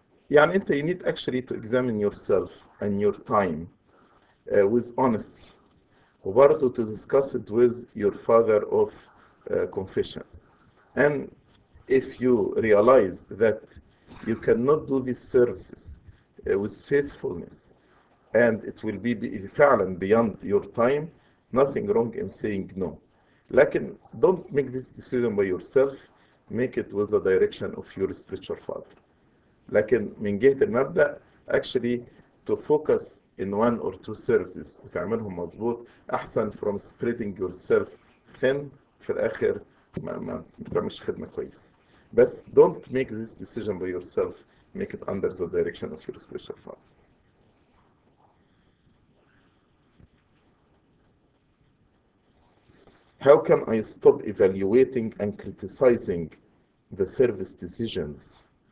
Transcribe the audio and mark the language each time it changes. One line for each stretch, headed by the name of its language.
Arabic: يعني انت
English: you need actually to examine yourself and your time with honesty
Arabic: وبرضه
English: to discuss it with your father of confession, and if you realize that you cannot do these services with faithfulness and it will be فعلا beyond your time, nothing wrong in saying no, لكن don't make this decision by yourself, make it with the direction of your spiritual father.
Arabic: لكن من جهة المبدأ
English: actually to focus in one or two services
Arabic: وتعملهم مظبوط أحسن
English: from spreading yourself thin
Arabic: في الآخر ما بتعملش خدمة كويس.
English: بس don't make this decision by yourself, make it under the direction of your spiritual father. How can I stop evaluating and criticizing the service decisions?